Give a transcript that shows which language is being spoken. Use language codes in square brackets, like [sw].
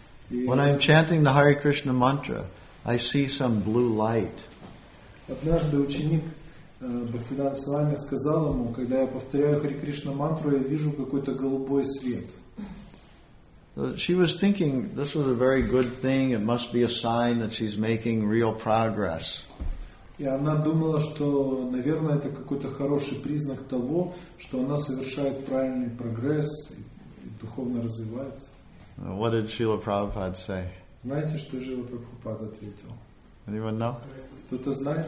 [en] When I'm chanting the Hare Krishna mantra, I see some blue light. [ru] Однажды ученик Бхактинанда Свами сказал ему, когда я повторяю Хари Кришна мантру, я вижу какой-то голубой свет. [en] She was thinking this was a very good thing. It must be a sign that she's making real progress. [ru] И она думала, что, наверное, это какой-то хороший признак того, что она совершает правильный прогресс и духовно развивается. [en] What did Srila Prabhupada say? [ru] Знаете, что же Srila Prabhupada ответил? [en] Anyone know? [ru] Кто-то знает?